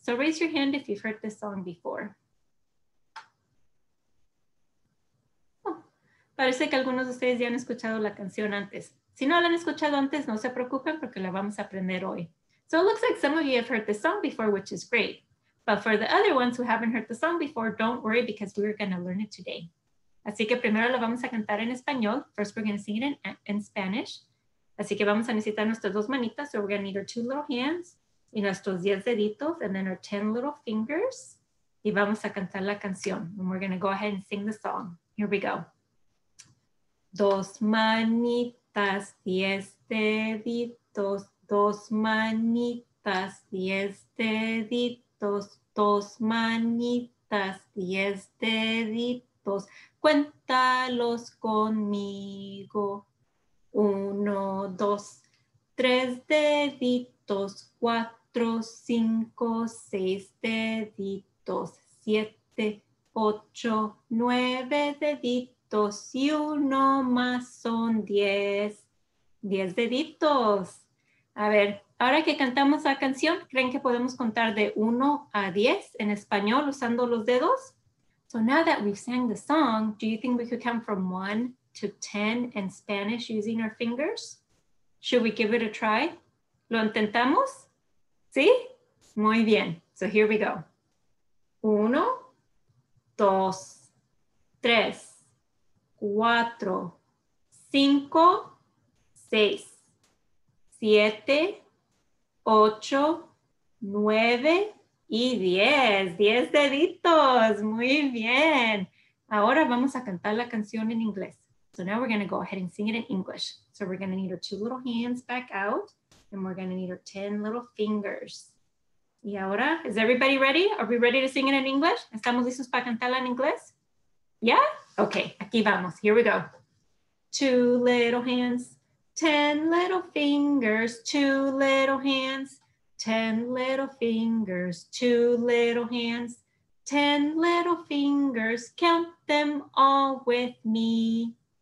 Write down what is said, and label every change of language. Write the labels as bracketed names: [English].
[English] So raise your hand if you've heard this song before. [Spanish] Parece que algunos de ustedes ya han escuchado la canción antes. Si no la han escuchado antes, no se preocupen porque la vamos a aprender hoy. [English] So it looks like some of you have heard this song before, which is great. But for the other ones who haven't heard the song before, don't worry because we're going to learn it today. [Spanish] Así que primero lo vamos a cantar en español. [English] First, we're going to sing it in Spanish. [Spanish] Así que vamos a necesitar nuestras dos manitas. [English] So we're going to need our two little hands [Spanish] y nuestros diez deditos [English] and then our ten little fingers. [Spanish] Y vamos a cantar la canción. [English] And we're going to go ahead and sing the song. Here we go. [Spanish] Dos manitas, diez deditos. Dos manitas, diez deditos. Dos manitas, diez deditos, cuéntalos conmigo. Uno, dos, tres deditos, cuatro, cinco, seis deditos, siete, ocho, nueve deditos y uno más son diez. Diez deditos. A ver. Ahora que cantamos la canción, ¿creen que podemos contar de 1 a 10 en español usando los dedos? [English] So now that we've sang the song, do you think we could count from 1 to 10 in Spanish using our fingers? Should we give it a try? [Spanish] ¿Lo intentamos? ¿Sí? Muy bien. [English] So here we go. [Spanish] 1, 2, 3, 4, 5, 6, 7, 8, 9 y 10. 10 deditos. Muy bien. Ahora vamos a cantar la canción en inglés. [English] So now we're going to go ahead and sing it in English. So we're going to need our 2 little hands back out and we're going to need our 10 little fingers. [Spanish] Y ahora, [English] is everybody ready? Are we ready to sing it in English? [Spanish] ¿Estamos listos para cantarla en inglés? [English] Yeah? Okay, [Spanish] aquí vamos. [English] Here we go. 2 little hands, 10 little fingers, 2 little hands, 10 little fingers, 2 little hands, 10 little fingers, count them all with me.